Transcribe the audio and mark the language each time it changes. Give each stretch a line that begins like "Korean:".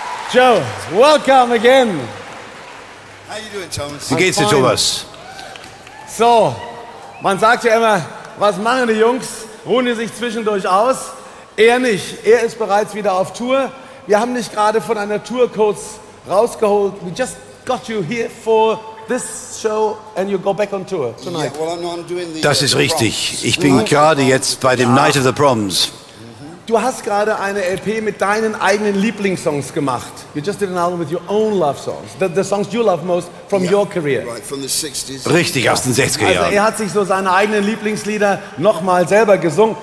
English: Joe, welcome again. How you doing, Thomas?
German: Wie geht's dir, Thomas? So, man sagt ja immer, was machen die Jungs? Ruhen die sich zwischendurch aus? Er nicht. Er ist bereits wieder auf Tour. Wir haben dich gerade von einer Tour kurz rausgeholt.
English: We just got you here for this show and you go back on tour tonight. Yeah, well, I'm doing the,
German: das ist richtig. Ich bin gerade jetzt bei dem Night of the Proms. Du hast gerade eine LP mit deinen eigenen Lieblingssongs gemacht.
English: You just did an album with your own love songs. The songs you love most from your career. Right, from the 60s.
German: Richtig, aus den 60er Jahren. Also er hat sich so seine eigenen Lieblingslieder nochmal selber gesungen.